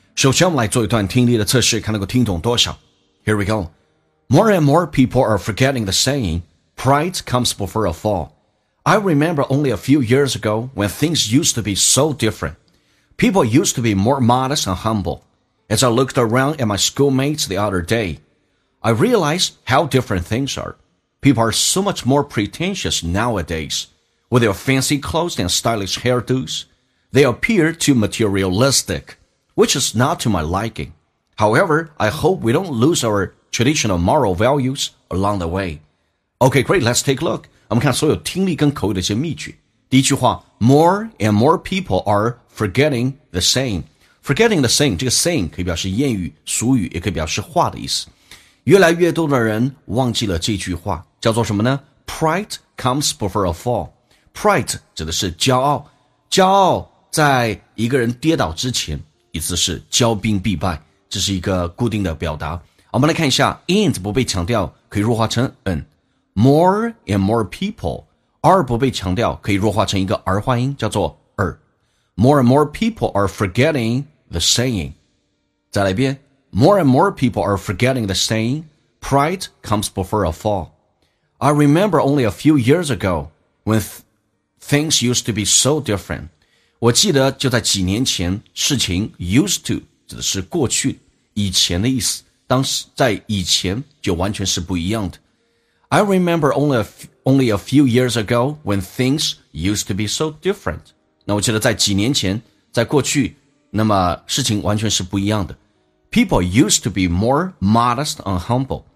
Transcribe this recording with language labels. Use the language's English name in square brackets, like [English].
[Chinese] 首先我们来做一段听力的测试，看能够听懂多少。 [English] Here we go. More and more people are forgetting the saying, pride comes before a fall. I remember only a few years ago when things used to be so different. People used to be more modest and humble. As I looked around at my schoolmates the other day, I realized how different things are. People are so much more pretentious nowadays. With their fancy clothes and stylish hairdos, they appear too materialistic, which is not to my liking. However, I hope we don't lose our traditional moral values along the way. Okay, great, let's take a look. [Chinese] 我们看所有听力跟口语的一些秘诀。第一句话 [English] more and more people are forgetting the saying. Forgetting the saying, [Chinese] 这个 saying 可以表示谚语、俗语，也可以表示话的意思。越来越多的人忘记了这句话，叫做什么呢？ [English] Pride comes before a fall. [Chinese] Pride 指的是骄傲，骄傲在一个人跌倒之前，意思是骄兵必败，这是一个固定的表达。我们来看一下 ，and 不被强调可以弱化成 an。 [English] More and more people are [Chinese] 不被强调可以弱化成一个儿化音，叫做 er。 [English] More and more people are forgetting the saying。 [Chinese] 再来一遍 [English] ，More and more people are forgetting the saying. Pride comes before a fall. I remember only a few years ago when. Things used to be so different. [Chinese] 我记得就在几年前，事情 used to 指的是过去，以前的意思。当时在以前就完全是不一样的。 [English] I remember only a few years ago when things used to be so different. [Chinese] 那我记得在几年前，在过去，那么事情完全是不一样的。 [English] People used to be more modest and humble.